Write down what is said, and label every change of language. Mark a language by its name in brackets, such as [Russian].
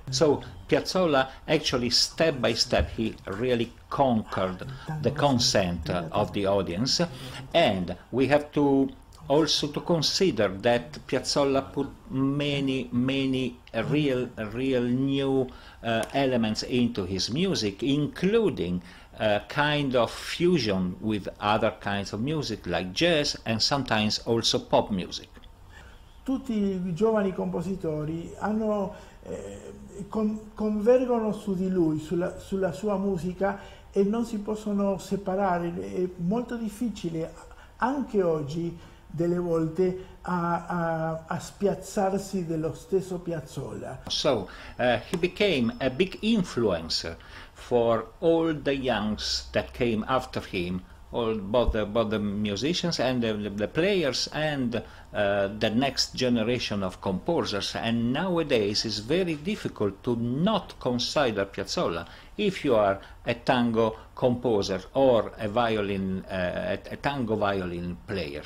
[English] So Piazzolla actually step by step he really conquered the consent of the audience, and we have to also to consider that Piazzolla put many real new elements into his music, including a kind of fusion with other kinds of music like jazz and sometimes also pop music. [Italian] Tutti i giovani compositori hanno convergono su di lui, sulla sua musica, e non si possono separare. È molto difficile anche oggi delle volte a spiazzarsi dello stesso Piazzolla. [English] So he became a big influence for all the youngs that came after him, all both the musicians and the players and the next generation of composers, and nowadays it's very difficult to not consider Piazzolla if you are a tango composer or a violin, a tango violin player.